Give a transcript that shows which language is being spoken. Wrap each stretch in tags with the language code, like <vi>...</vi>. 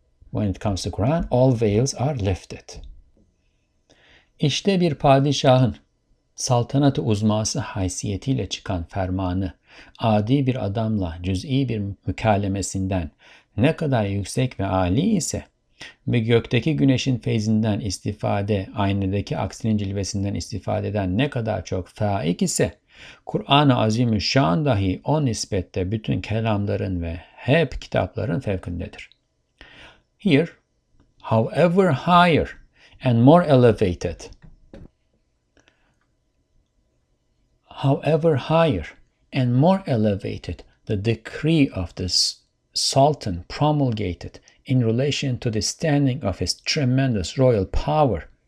<en>When it comes to Quran, all veils are lifted.</en> <tr>İşte bir padişahın saltanat-ı uzması haysiyetiyle çıkan fermanı, adi bir adamla cüz'i bir mükalemesinden ne kadar yüksek ve âli ise, ve gökteki güneşin feyzinden istifade, aynadaki aksinin cilvesinden istifade eden ne kadar çok faik ise, Kur'an-ı Azimüşşan dahi o nispette bütün kelamların ve hep kitapların fevkindedir.</tr> <en>Here, however higher and more elevated, however higher and more elevated the decree of this Sultan promulgated in relation to the standing of his tremendous royal power.</en>